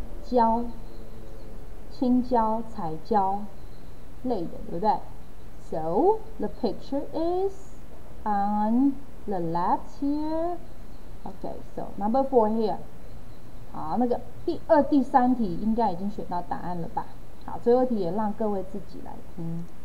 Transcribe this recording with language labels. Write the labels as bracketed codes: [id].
[zh] 椒，青椒、彩椒类的，对不对？ [en] So, the picture is on the left here. Okay, so number four here. [zh] 好，那个第二、第三题应该已经选到答案了吧？好，最后一题也让各位自己来听。